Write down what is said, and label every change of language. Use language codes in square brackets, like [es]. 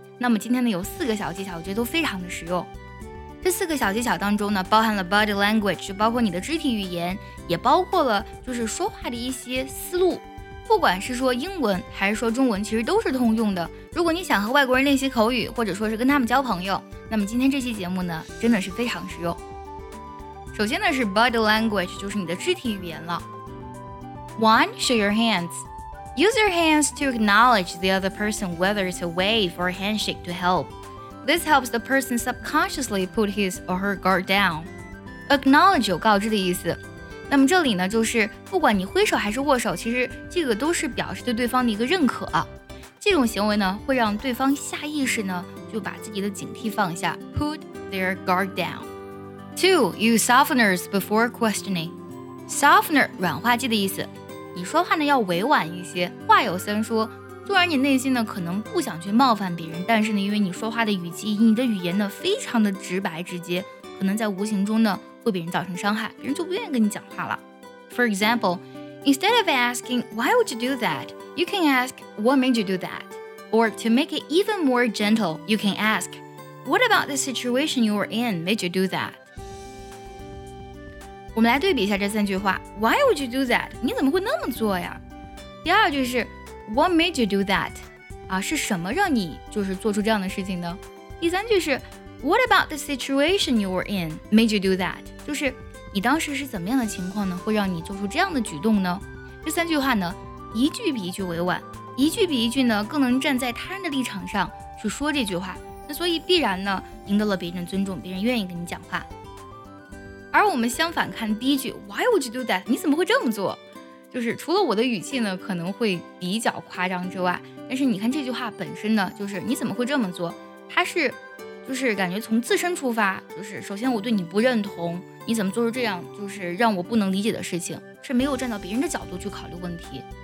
[zh] 那么今天呢有四个小技巧，我觉得都非常的实用。这四个小技巧当中呢，包含了 body language， 就包括你的肢体语言，也包括了就是说话的一些思路。不管是说英文还是说中文，其实都是通用的。如果你想和外国人练习口语，或者说是跟他们交朋友，那么今天这期节目呢，真的是非常实用。首先呢是 body language， 就是你的肢体语言了。 [en] One, show your hands. Use your hands to acknowledge the other person, whether it's a wave or a handshake to help. This helps the person subconsciously put his or her guard down. [zh] Acknowledge 有告知的意思。那么这里呢就是不管你挥手还是握手，其实这个都是表示对对方的一个认可。这种行为呢会让对方下意识呢就把自己的警惕放下， [en] put their guard down. 2. Use softeners before questioning. [zh] Softener 软化剂的意思，你说话呢要委婉一些，话有先说。虽然你内心呢可能不想去冒犯别人，但是呢因为你说话的语气，你的语言呢非常的直白直接，可能在无形中呢会被人造成伤害，别人就不愿意跟你讲话了。 [en] For example, instead of asking why would you do that, you can ask what made you do that. Or to make it even more gentle, you can ask what about the situation you were in made you do that. [zh] 我们来对比一下这三句话。 [en] Why would you do that? [zh] 你怎么会那么做呀？第二句是 [en] what made you do that? [zh] 啊，是什么让你就是做出这样的事情呢？第三句是 [en] What about the situation you were in made you do that? [zh] 就是你当时是怎么样的情况呢会让你做出这样的举动呢？这三句话呢一句比一句委婉，一句比一句呢更能站在他人的立场上去说这句话，那所以必然呢赢得了别人的尊重，别人愿意跟你讲话。而我们相反看第一句 [en] Why would you do that? [zh] 你怎么会这么做？就是除了我的语气呢可能会比较夸张之外，但是你看这句话本身呢就是你怎么会这么做，它是就是感觉从自身出发，就是首先我对你不认同，你怎么做出这样就是让我不能理解的事情，是没有站到别人的角度去考虑问题。